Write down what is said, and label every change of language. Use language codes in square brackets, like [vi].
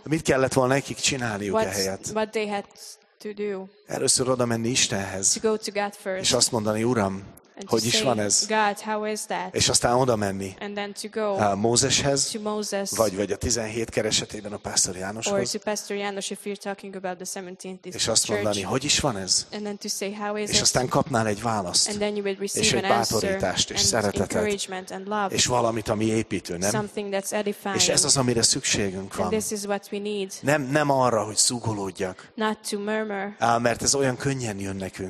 [hu] Mit kellett volna nekik csinálniuk ehelyett? [en] What they had to do? [hu] Először oda menni Istenhez. [en] To go to God first. [hu] És azt mondani, Uram, [en] and [hu] hogy is van ez? [en] God, how is that? [hu] És aztán oda menni a Mózeshez, [en] to Moses, [hu] vagy a 17 keresetében a Pásztor Jánoshoz, [en] or to Pastor Janos, if you're talking about the 17th [hu] és azt mondani, [en] church, [hu] hogy is van ez? [en] And then to say, how is [hu] és [en] it? [hu] Aztán kapnál egy választ, [en] and then you will receive [hu] és egy bátorítást, és [en] and [hu] szeretetet, [en] encouragement and love, [hu] és valamit, ami építő, nem? [en] Something that's edifying. [hu] És ez az, amire szükségünk van. [en] And this is what we need. [hu] Nem arra, hogy szúgolódjak, [en] not to murmur, [hu] mert ez olyan könnyen jön nekünk,